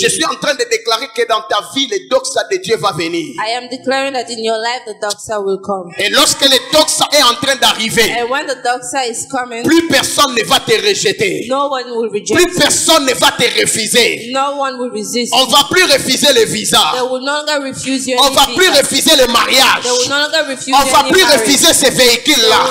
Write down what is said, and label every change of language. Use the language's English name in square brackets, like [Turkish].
[French] Je suis en train de déclarer que dans ta vie, les doxa de Dieu va venir. [English] I am declaring that in your life, the doxa will come. [French] Et lorsque les doxa est en train d'arriver. [English] And when the doxa is coming. [French] Plus personne ne va te rejeter. [English] No one will reject. [French] Plus personne ne va te refuser. [English] No one will resist. [French] On va plus refuser les visas. [English] They will no longer refuse you. [French] On va plus refuser le mariage. On va plus refuser ces véhicules-là.